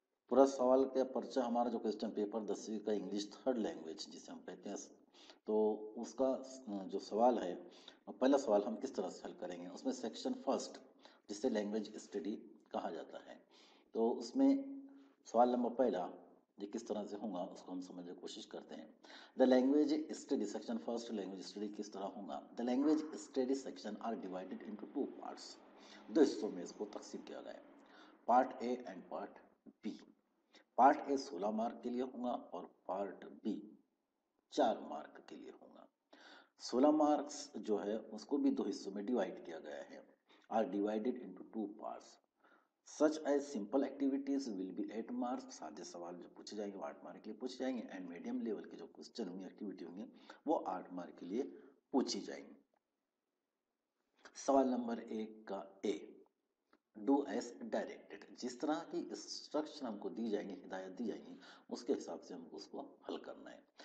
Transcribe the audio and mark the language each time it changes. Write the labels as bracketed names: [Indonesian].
[Urdu] پورا سوال کا پرچہ ہمارا جو کوشچن پیپر دسویں کا انگلش تھرڈ لینگویج جسے ہم کہتے ہیں، تو اس کا جو سوال ہے پہلا سوال ہم کس طرح سے حل کریں گے، اس میں سیکشن فرسٹ جسے لینگویج اسٹڈی کہا جاتا ہے، تو اس میں سوال نمبر پہلا یہ کس طرح سے ہوں گا اس کو ہم سمجھنے کی کوشش کرتے ہیں. [English] the language study section first [Urdu] language study کس طرح ہوں گا. [English] the language study section are divided into two parts, [Urdu] دو حصوں میں اس کو تقسیم کیا گیا ہے، [English] Part A and part B. [Urdu] Part a 16 mark کے لیے ہوں گا اور پارٹ بی 4 مارک کے لیے ہوں گا. 16 مارکس جو ہے اس کو بھی دو حصوں میں ڈیوائڈ کیا گیا ہے، [English] Are divided into two parts. Such as simple activities will be 8 marks. [Urdu] سادے سوال جو پوچھے جائیں گے وہ 8 مارک کے لیے پوچھے جائیں گے، اینڈ میڈیم لیول کے جو کوسچن ہوں گے ایکٹیویٹی ہوں گے وہ 8 مارک کے لیے پوچھی جائیں گی. سوال نمبر ایک کا اے، [English] do as directed, [Urdu] جس طرح کی انسٹرکشن ہم کو دی جائیں گی، ہدایت دی جائیں گی، اس کے حساب سے ہم کو اس کو حل کرنا ہے.